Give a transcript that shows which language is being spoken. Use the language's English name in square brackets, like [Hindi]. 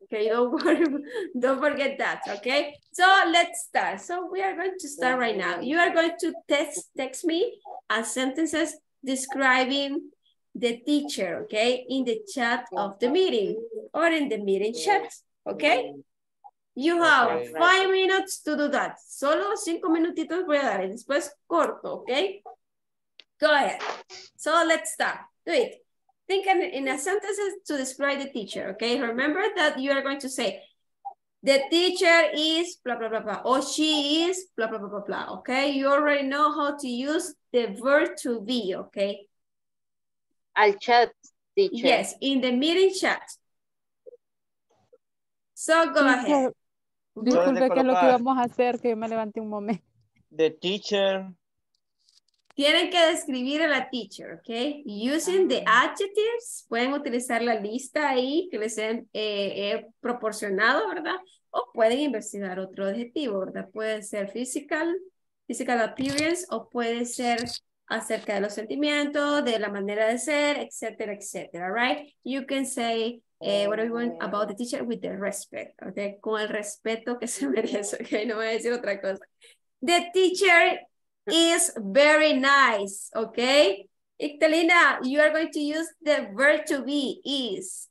[English] Okay, don't forget that, okay? So let's start. So we are going to start right now. You are going to text me a sentences describing the teacher, okay? In the chat of the meeting or in the meeting chat, okay? You have okay, 5 minutes to do that. [Spanish] Solo 5 minutitos voy a dar y después corto, okay? [English] Go ahead. So let's start. Do it. Think in a sentence to describe the teacher, okay? Remember that you are going to say, the teacher is blah, blah, blah, blah, or she is blah, blah, blah, blah, blah, okay? You already know how to use the verb to be, okay? I'll chat, teacher. Yes, in the meeting chat. So go ahead. [Spanish] Disculpe, que es lo que vamos a hacer, que yo me levante un momento. [English] The teacher. [Spanish] Tienen que describir a la teacher, ¿ok? [English] Using the adjectives, [Spanish] pueden utilizar la lista ahí que les he proporcionado, ¿verdad? O pueden investigar otro adjetivo, ¿verdad? Puede ser physical appearance, o puede ser acerca de los sentimientos, de la manera de ser, etcétera, etcétera, right? [English] You can say what do you want about the teacher with the respect, okay? [Spanish] Con el respeto que se merece, okay? No voy a decir otra cosa. [English] The teacher is very nice, okay? Ictelina, you are going to use the verb to be, is.